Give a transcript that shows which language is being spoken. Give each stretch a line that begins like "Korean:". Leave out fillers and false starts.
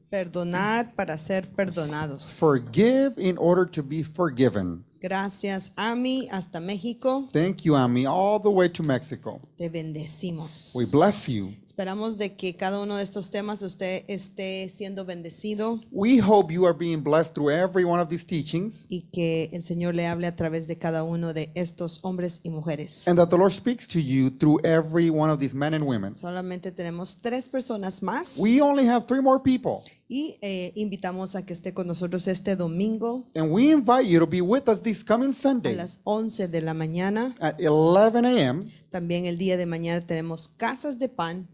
Spanish: Perdonar para ser perdonados.
English: Forgive in order to be forgiven.
Spanish: Gracias, Ami, hasta México.
English: Thank you, Ami, all the way to Mexico.
Spanish: Te bendecimos.
English: We bless you.
Spanish: Esperamos de que cada uno de estos temas usted esté siendo bendecido.
English: We hope you are being blessed through every one of these teachings.
Spanish: Y que el Señor le hable a través de cada uno de estos hombres y mujeres.
English: And that the Lord speaks to you through every one of these men and women.
Spanish: Solamente tenemos 3 personas más.
English: We only have 3 more people.
Spanish: Y invitamos a que esté con nosotros este domingo.
English: And we invite you to be with us this coming Sunday.
Spanish: A las 11 de la mañana.
English: At 11 a.m.
Spanish: También el día de mañana tenemos casas de pan.